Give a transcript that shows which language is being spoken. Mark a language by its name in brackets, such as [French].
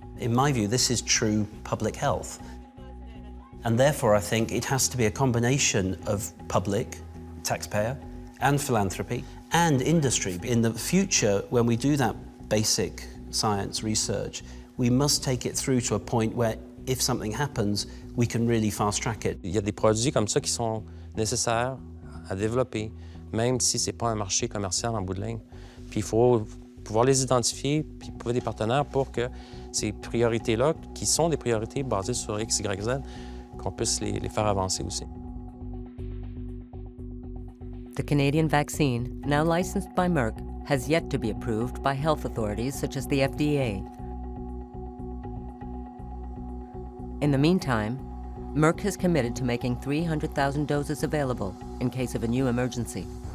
[English] In my view, this is true public health. And therefore, I think it has to be a combination of public, taxpayer, and philanthropy, and industry. In the future, when we do that basic science research, we must take it through to a point where if something happens, we can really fast track it. [French] Il y a des produits comme ça qui sont nécessaires à développer, même si c'est pas un marché commercial en bout de ligne. Puis il faut pouvoir les identifier, puis trouver des partenaires pour que ces priorités-là, qui sont des priorités basées sur X, Y, Z, qu'on puisse les faire avancer aussi. [English] The Canadian vaccine, now licensed by Merck, has yet to be approved by health authorities such as the FDA. In the meantime, Merck has committed to making 300,000 doses available in case of a new emergency.